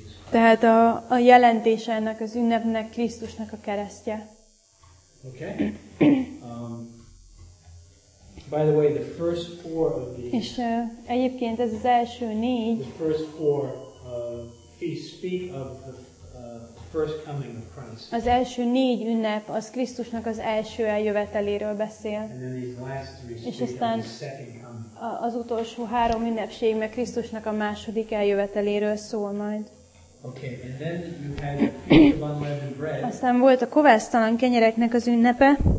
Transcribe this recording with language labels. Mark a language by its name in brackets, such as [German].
[Hungarian] Tehát a jelentése ennek az ünnepnek Krisztusnak a keresztje. [English] Okay. By the way, the first four of these. [Hungarian] És egyébként ez az első négy. [English] The first four feasts speak of the first coming of Christ. [Hungarian] Az első négy ünnep az Krisztusnak az első eljöveteléről beszél. [English] And then these last three speak of the second coming. [Hungarian] Az utolsó három ünnepség meg Krisztusnak a második eljöveteléről szól majd. [English] Okay, and then you had the feast of unleavened bread. [Hungarian] Aztán volt a kovásztalan kenyereknek az ünnepe.